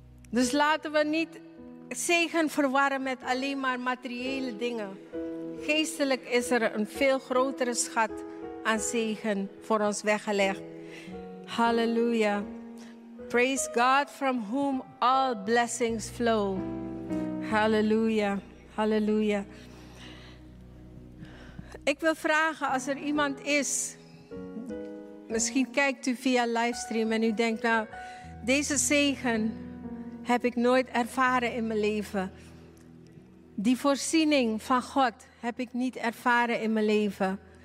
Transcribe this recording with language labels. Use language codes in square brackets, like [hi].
[nl] Dus laten we niet zegen verwarren met alleen maar materiële dingen. Geestelijk is er een veel grotere schat aan zegen voor ons weggelegd. Halleluja. [en] Praise God from whom all blessings flow. Halleluja. Halleluja. [nl] Ik wil vragen als er iemand is. Misschien kijkt u via livestream en u denkt, nou, deze zegen heb ik nooit ervaren in mijn leven. Die voorziening van God heb ik niet ervaren in mijn leven.